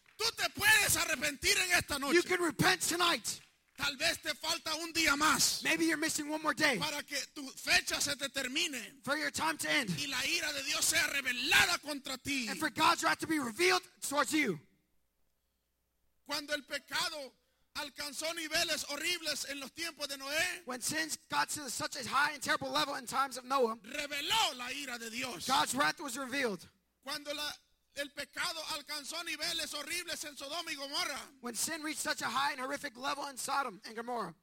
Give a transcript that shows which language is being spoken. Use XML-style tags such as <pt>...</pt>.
<es>Tú te puedes arrepentir en esta noche.</es> <en>You can repent tonight.</en> <es>Tal vez te falta un día más.</es> <en>Maybe you're missing one more day.</en> <es>Para que tu fecha se te termine.</es> <en>For your time to end.</en> <es>Y la ira de Dios sea revelada contra ti.</es> <en>And for God's wrath to be revealed towards you.</en> <es>Cuando el pecado alcanzó niveles horribles en los tiempos de Noé.</es> <en>When sins got to such a high and terrible level in times of Noah.</en> <es>Reveló la ira de Dios.</es> <en>God's wrath was revealed.</en> <es>Cuando el pecado alcanzó niveles horribles en Sodoma y Gomorra.</es> <en>When sin reached such a high and horrific level in Sodom and Gomorrah.</en>